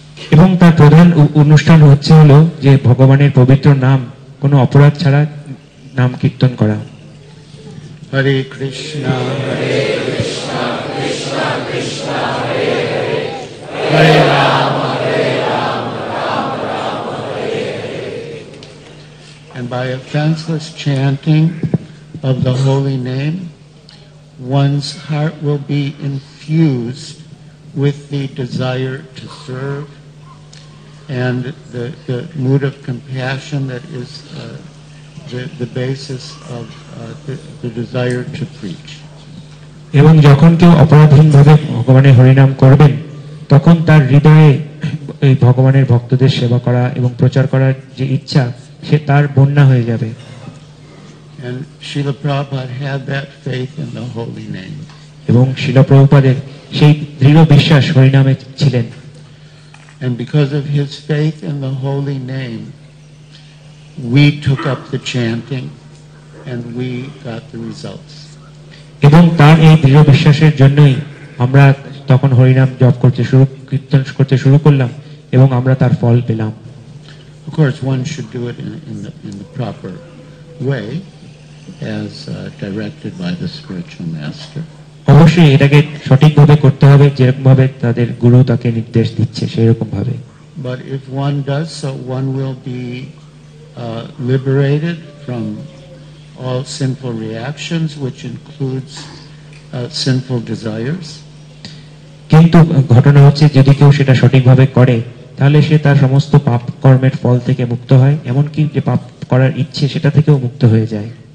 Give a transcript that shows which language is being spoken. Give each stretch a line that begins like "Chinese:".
Bangla: এবং তার প্রধান অনুষ্ঠান হচ্ছে হলো যে ভগবানের পবিত্র নাম কোনো অপরাধ ছাড়া নাম কীর্তন করা
Sanskrit: হরে কৃষ্ণ হরে কৃষ্ণ কৃষ্ণ কৃষ্ণ হরে হরে রাম হরে Ram Ram Ram Hare Hare
English: And by offenseless chanting of the holy name, one's heart will be infused with the desire to serve, and the mood of compassion that is the basis of the desire to preach
Bangla: এবং যখন কেউ অপরাধীনভাবে ভগবানের হরিনাম করবেন তখন তার হৃদয়ে এই ভগবানের ভক্তদের সেবা করা এবং প্রচার করার যে ইচ্ছা সে তার বন্যা হয়ে যাবে
English: and Srila Prabhupada had that faith in the holy name
Bangla: এবং Srila Prabhupada সেই দৃঢ় বিশ্বাস হরিনামে ছিলেন
English: And because of his faith in the holy name, we took up the chanting and we got the results.
Bangla: এবং তার এই দৃঢ় বিশ্বাসের জন্যই আমরা তখন হরিনাম জপ করতে শুরু কীর্তন করতে শুরু করলাম এবং আমরা তার ফল পেলাম
English: Of course, one should do it in the proper way as directed by the spiritual master.
Bangla: অবশ্যই এটাকে সঠিকভাবে করতে হবে যেরকম ভাবে তাদের গুরু তাকে নির্দেশ দিচ্ছে সেরকম ভাবে
English: but if one does so one will be liberated from all sinful reactions which includes sinful desires
Bangla: কিন্তু ঘটনা হচ্ছে যদি কেউ সেটা সঠিকভাবে করে তাহলে সে তার সমস্ত পাপ কর্মের ফল থেকে মুক্ত হয় এমন কি যে পাপ করার ইচ্ছে সেটা থেকেও মুক্ত হয়ে যায়